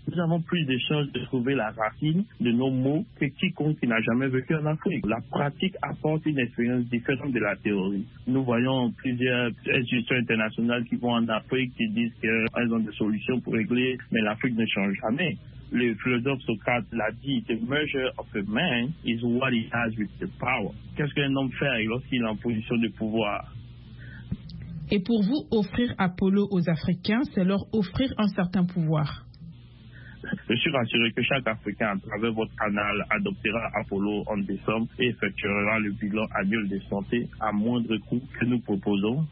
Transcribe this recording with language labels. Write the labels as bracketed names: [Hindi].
[French] Nous avons plus de chances de trouver la racine de nos mots que quiconque qui n'a jamais vécu en Afrique. La pratique apporte une expérience différente de la théorie. Nous voyons plusieurs institutions internationales qui vont en Afrique, qui disent qu'elles ont des solutions pour régler, mais l'Afrique ne change jamais. Le philosophe Socrate l'a dit, [English] the measure of a man is what he has with the power. [French] Qu'est-ce qu'un homme fait lorsqu'il est en position de pouvoir? Et pour vous, offrir Apollo aux Africains, c'est leur offrir un certain pouvoir. Je suis rassuré que chaque Africain, à travers votre canal, adoptera Apollo en décembre et effectuera le bilan annuel de santé à moindre coût que nous proposons.